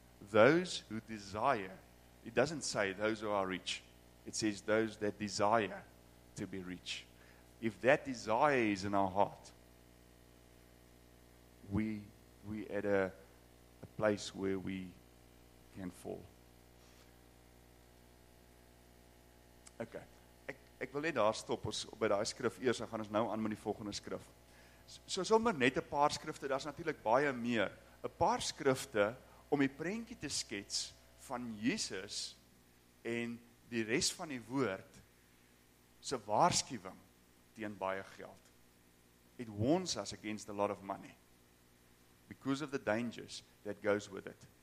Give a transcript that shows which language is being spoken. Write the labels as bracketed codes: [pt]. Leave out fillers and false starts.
[en] Those who desire, it doesn't say those who are rich. It says those that desire to be rich. If that desire is in our heart, we at a place where we can fall. [af] Okay, ek wil net daar stop ons by daai skrif eers, en gaan ons nou aan met die volgende skrif. So sommer net 'n paar skrifte, daar's natuurlik baie meer. 'N Paar skrifte om die prentjie te skets van Jesus en die res van die woord se waarskuwing teen baie geld. [en] It warns us against a lot of money because of the dangers that goes with it.